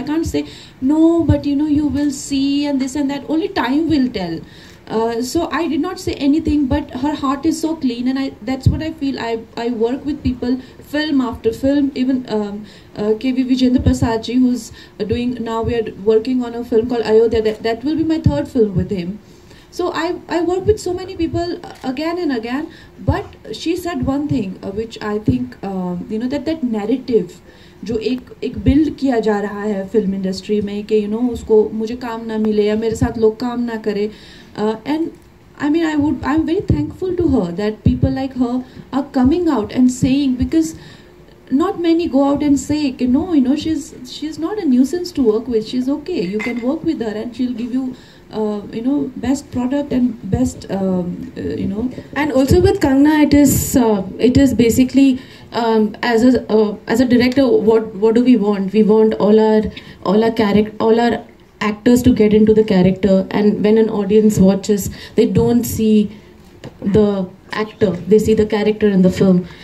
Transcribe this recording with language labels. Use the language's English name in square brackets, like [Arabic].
[English] I can't say no, but you know, you will see and this and that, only time will tell. So I did not say anything, but her heart is so clean, and that's what I feel. I work with people film after film, even KV Vijayendra Prasad ji, who's doing now, we are working on a film called Ayodhya, that will be my third film with him. So I work with so many people again and again, but she said one thing which I think, you know, that narrative [Hindi] जो एक build किया जा रहा है film industry में कि [English] you know [Hindi] उसको मुझे काम ना मिले या मेरे साथ लोग काम ना करें, [English] And I mean I am very thankful to her that people like her are coming out and saying, because not many go out and say कि no you know she is not a nuisance to work with, she is okay, you can work with her and she will give you you know, best product and best, you know. And also with Kangana, it is basically, as a director, what do we want? We want all our actors to get into the character, and when an audience watches, they don't see the actor, they see the character in the film.